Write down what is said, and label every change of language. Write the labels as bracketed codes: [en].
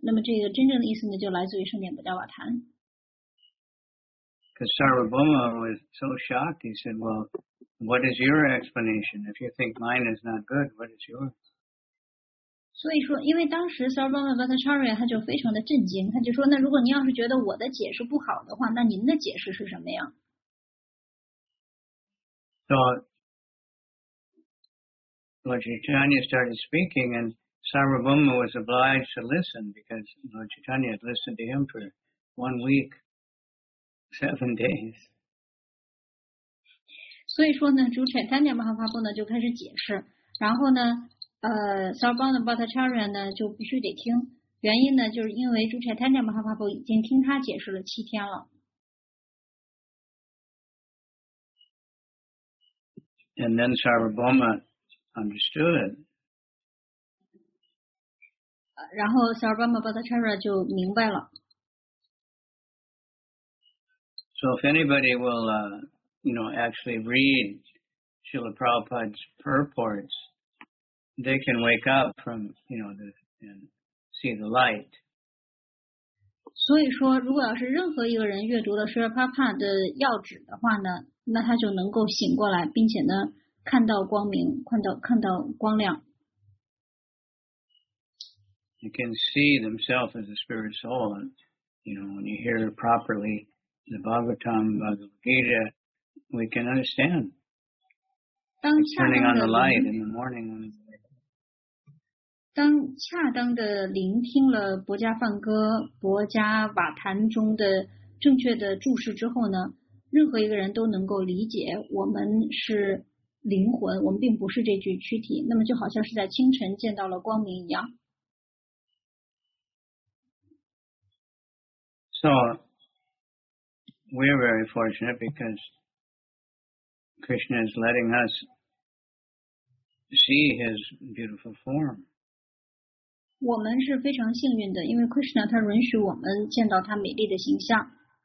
[zh] 那么这个真正的意思呢，就来自于圣典薄伽瓦坛。 [en] Because Sarvabhauma was so shocked, he said, well, what is your explanation? If you think mine is not good, what is yours? [zh] 所以说，因为当时 Sarvabhauma Bhattacharya 他就非常的震惊，他就说，那如果您要是觉得我的解释不好的话，那您的解释是什么呀？ [en] So, Lord Chaitanya started speaking, and Sarvabhauma was obliged to listen, because Lord Chaitanya had listened to him for 1 week. 7 days. [zh] 所以说呢，主 Chaitanya Mahaprabhu 呢就开始解释，然后呢，Sarvabhauma Bhattacharya 呢就必须得听。原因呢，就是因为主 Chaitanya Mahaprabhu 已经听他解释了7天了。 [en] And then Sarvabhauma understood it. [zh] 然后小尔巴马巴达查拉就明白了。 [en] So if anybody will, actually read Srila Prabhupada's purports, they can wake up from, you know, and see the light. [zh] 所以说，如果要是任何一个人阅读了 Srila Prabhupada 的要旨的话呢，那他就能够醒过来，并且呢，看到光明，看到光亮。 [en] You can see themselves as a spirit soul, and, you know, when you hear properly the Bhagavatam, Bhagavad Gita, we can understand. It's turning on the light in the morning. [zh] 当恰当的聆听了薄伽梵歌、薄伽瓦坛中的正确的注释之后呢，任何一个人都能够理解我们是灵魂，我们并不是这具躯体。那么就好像是在清晨见到了光明一样。 [en] So, we're very fortunate because Krishna is letting us see his beautiful form. [zh] 我们是非常幸运的，因为 Krishna 他允许我们见到他美丽的形象。